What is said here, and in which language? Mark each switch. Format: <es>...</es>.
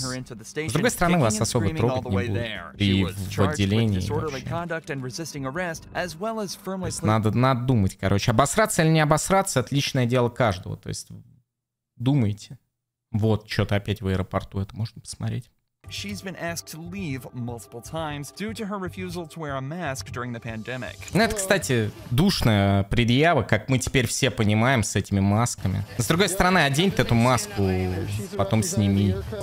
<ru>С другой стороны, вас особо трогать не будет. И в отделении вообще. Надо думать, короче. Обосраться или не обосраться — отличное дело каждого. То есть думайте. Вот, что-то опять в аэропорту, это можно посмотреть.</ru> <en>She's been asked to leave multiple times due to her refusal to wear a mask during the pandemic.</en> <ru>Ну, это, кстати, душная предъява, как мы теперь все понимаем, с этими масками. С другой стороны, одень ты эту маску, потом сними.</ru>